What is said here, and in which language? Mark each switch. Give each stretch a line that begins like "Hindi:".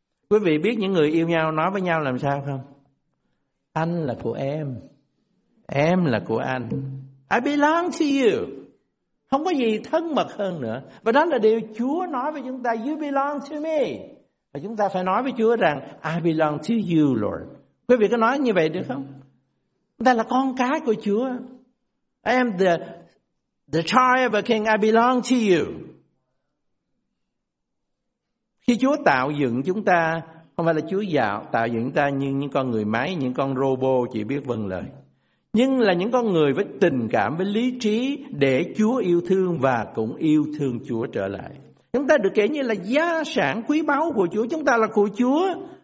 Vietnamese: Quý vị biết những người yêu nhau nói với nhau làm sao không? Anh là của em là của anh.
English: I belong to you.
Vietnamese: Không có gì thân mật hơn nữa. Và đó là điều Chúa nói với chúng ta,
English: you belong to me.
Vietnamese: Và chúng ta phải nói với Chúa rằng,
English: I belong to you, Lord.
Vietnamese: Quý vị có nói như vậy được không? Chúng ta là con cái của Chúa.
English: I am the child of a king, I belong to you.
Vietnamese: Khi Chúa tạo dựng chúng ta, không phải là Chúa dạo tạo dựng ta như những con người máy, những con robot chỉ biết vâng lời. Nhưng là những con người với tình cảm, với lý trí để Chúa yêu thương và cũng yêu thương Chúa trở lại. Chúng ta được kể như là gia sản quý báu của Chúa, chúng ta là của Chúa.